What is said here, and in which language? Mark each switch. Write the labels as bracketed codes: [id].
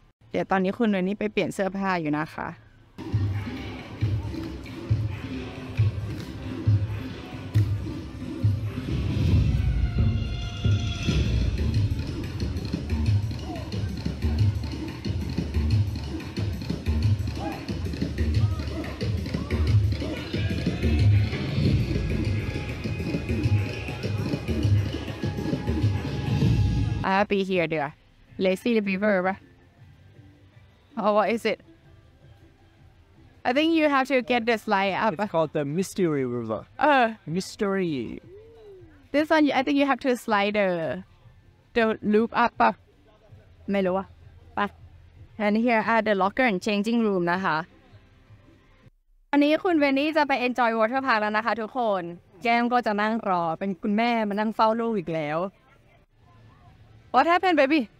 [th] เดี๋ยวตอนนี้คุณเวนนี่ไปเปลี่ยนเสื้อผ้าอยู่นะคะ [en] I'll be here, dear. Let's see the beaver, right? Oh, what is it? I think you have to get the slide up. It's called the Mystery River. Mystery. This one, I think you have to slide the loop up. [th] ไม่รู้อ่ะ [en] But, and here are the locker and changing room, [th] นะคะ ตอนนี้คุณเวนนี่จะไป [en] enjoy water park [th] แล้วนะคะทุกคน แก้มก็จะนั่งรอเป็นคุณแม่มานั่งเฝ้าลูกอีกแล้ว [en] What happened, baby?